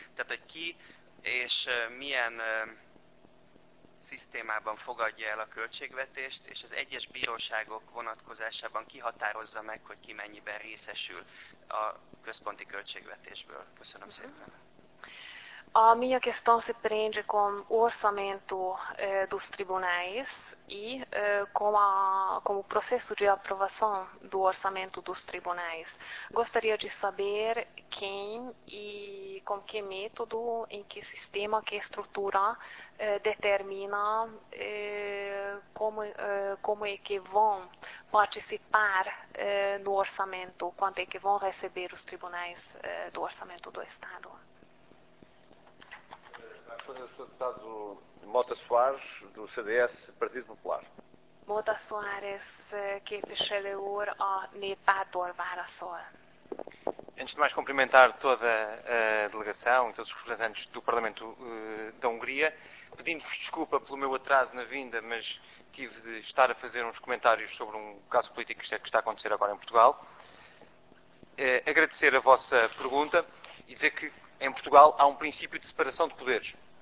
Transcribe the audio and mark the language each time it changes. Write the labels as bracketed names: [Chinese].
[Hungarian] Tehát, hogy ki és milyen szisztémában fogadja el a költségvetést, és az egyes bíróságok vonatkozásában ki határozza meg, hogy ki mennyiben részesül a központi költségvetésből. Köszönöm szépen. [Portuguese] A minha questão se prende com o orçamento dos tribunais e com o processo de aprovação do orçamento dos tribunais. Gostaria de saber quem e com que método, em que sistema, que estrutura determina como é que vão participar no orçamento, quanto é que vão receber os tribunais do orçamento do Estado? O deputado Mota Soares, do CDS, Partido Popular. [Hungarian] Mota Soares, képviselő úr, a Néppárttól válaszol. [Portuguese] Antes de mais, cumprimentar toda a delegação e todos os representantes do Parlamento da Hungria, pedindo-vos desculpa pelo meu atraso na vinda, mas tive de estar a fazer uns comentários sobre um caso político que está a acontecer agora em Portugal. Agradecer a vossa pergunta e dizer que em Portugal há um princípio de separação de poderes.